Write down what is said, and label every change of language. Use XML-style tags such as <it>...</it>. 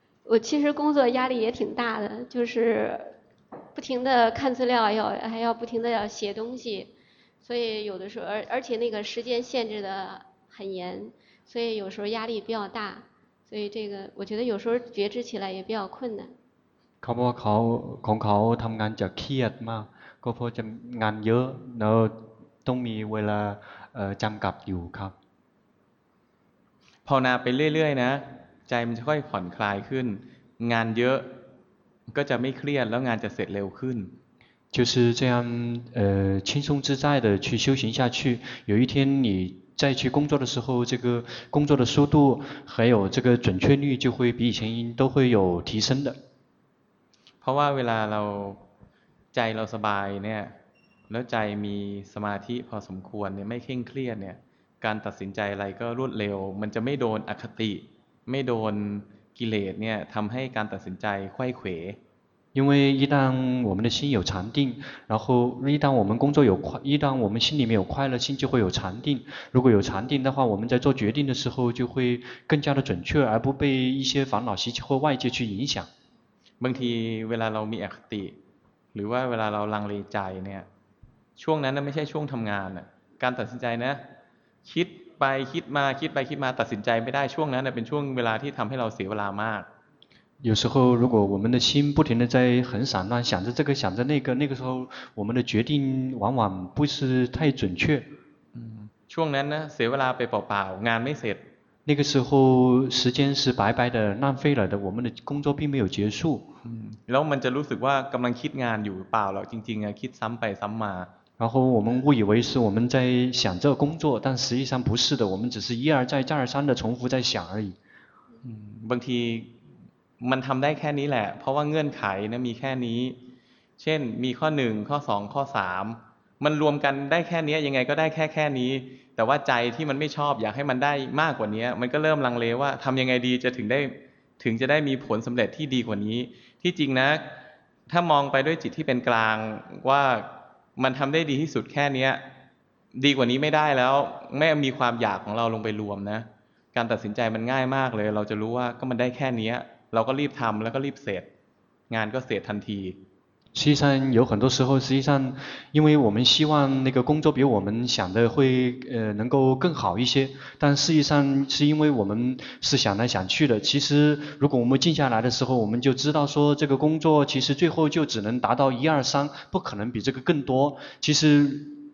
<zh>我其实工作压力也挺大的就是不停的看资料还要不停的要写东西所以有的时候而且那个时间限制的很严所以有时候压力比较大所以这个我觉得有时候觉知起来也比较困难</zh> <th>เขาบอกว่าเขาทำงานจะเครียดมากก็เพราะจะงานเยอะแล้วต้องมีเวลาจำกัดอยู่ครับ ภาวนาไปเรื่อยๆนะใจมันจะค่อยผ่อนคลายขึ้นงานเยอะก็จะไม่เครียดแล้วงานจะเสร็จเร็วขึ้น</th> <zh>就是这样轻松自在的去修行下去有一天你再去工作的时候这个工作的速度还有这个准确率就会比以前都会有提升的</zh> <th>เพราะว่าเวลาเราใจเราสบายเนี่ยแล้วใจมีสมาธิพอสมควรเนี่ยไม่เคร่งเครียดเนี่ยการตัดสินใจอะไรก็รวดเร็วมันจะไม่โดนอคติไม่โดนกิเลสเนี่ยทำให้การตัดสินใจไขว้เขว</th> <zh>因为一旦我们的心有禅定然后一旦我们工作有快一旦我们心里面有快乐心就会有禅定如果有禅定的话我们在做决定的时候就会更加的准确而不被一些烦恼习气或外界去影响</zh> <th>บางทีเวลาเรามีอคติหรือว่าเวลาเราลังเลใจเนี่ยช่วงนั้นไม่ใช่ช่วงทำงานการตัดสินใจนะคิดไปคิดมาคิดไปคิดมาตัดสินใจไม่ได้ช่วงนั้นเป็นช่วงเวลาที่ทำให้เราเสียเวลามาก</th> <zh>有时候如果我们的心不停的在很散乱想着这个想着那个那个时候我们的决定往往不是太准确</zh> <th>ช่วงนั้นนะเสียเวลาไปเปล่าๆงานไม่เสร็จ</th> <zh>那个时候时间是白白的浪费了的我们的工作并没有结束</zh> <th>แล้วมันจะรู้สึกว่ากำลังคิดงานอยู่เปล่าหรอกจริงๆอะคิดซ้ำไปซ้ำมา</th> <zh>然后我们误以为是我们在想这工作但实际上不是的我们只是一而再再而三的重复在想而已</zh> <th>บางทีมันทำได้แค่นี้แหละเพราะว่าเงื่อนไขนะมีแค่นี้เช่นมีข้อ1ข้อ2ข้อ3มันรวมกันได้แค่นี้ยังไงก็ได้แค่นี้แต่ว่าใจที่มันไม่ชอบอยากให้มันได้มากกว่านี้มันก็เริ่มลังเลว่าทำยังไงดีจะถึงจะได้มีผลสำเร็จที่ดีกว่านี้ที่จริงนะถ้ามองไปด้วยจิตที่เป็นกลางว่ามันทำได้ดีที่สุดแค่นี้ ดีกว่านี้ไม่ได้แล้วไม่มีความอยากของเราลงไปรวมนะการตัดสินใจมันง่ายมากเลยเราจะรู้ว่าก็มันได้แค่นี้เราก็รีบทำแล้วก็รีบเสร็จงานก็เสร็จทันที</th> <zh>实际上有很多时候实际上因为我们希望那个工作比我们想的会能够更好一些但实际上是因为我们是想来想去的其实如果我们静下来的时候我们就知道说这个工作其实最后就只能达到一二三不可能比这个更多其实</zh>